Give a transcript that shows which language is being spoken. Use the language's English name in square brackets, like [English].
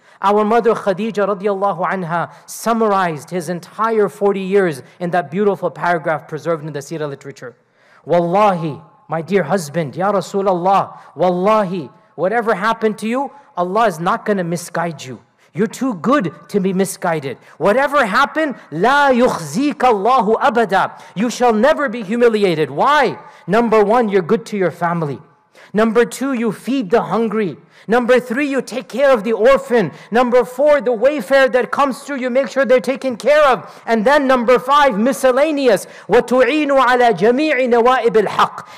[English] Our mother Khadija radiallahu anha summarized his entire 40 years in that beautiful paragraph preserved in the seerah literature. Wallahi, my dear husband, Ya Rasulallah, wallahi, whatever happened to you, Allah is not going to misguide you. You're too good to be misguided. Whatever happened, [Arabic] لا يخزيك الله أبدا. [English] You shall never be humiliated. Why? Number one, you're good to your family. Number two, you feed the hungry. Number three, you take care of the orphan. Number four, the wayfarer that comes through, you make sure they're taken care of. And then number five, miscellaneous. [Arabic] وَتُعِينُ عَلَى جَمِيعِ نَوَائِبِ الْحَقِّ.